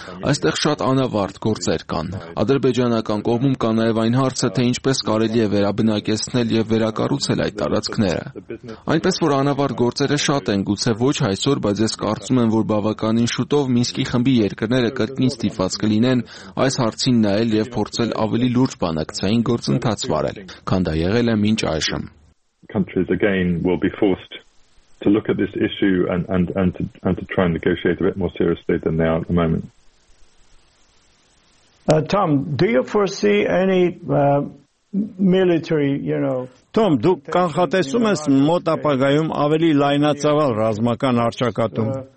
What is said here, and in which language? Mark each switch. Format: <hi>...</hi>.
<hy>Այստեղ շատ անավարտ գործեր կան։ Ադրբեջանական կողմում կա նաև այն հարցը, թե ինչպես կարելի է վերաբնակեցնել և վերակառուցել այդ տարածքները։ Այնպես որ անավարտ գործերը շատ են, գուցե ոչ այսօր, բայց ես կարծում եմ, որ բավականին շուտով Մինսկի խմբի երկրները կրկին ստիպված կլինեն այս հարցին նայել և փորձել ավելի լուրջ բանակցային գործընթաց վարել, քան դա եղել է մինչ այժմ։</hy> <en>Countries again will be forced to look at this issue and to try and negotiate a bit more seriously than they are at the moment. Tom, do you foresee any military, you know?</en> <hy>Tom, դու կանխատեսում ես մոտ ապագայում ավելի լայնածավալ ռազմական հարձակատում?</hy>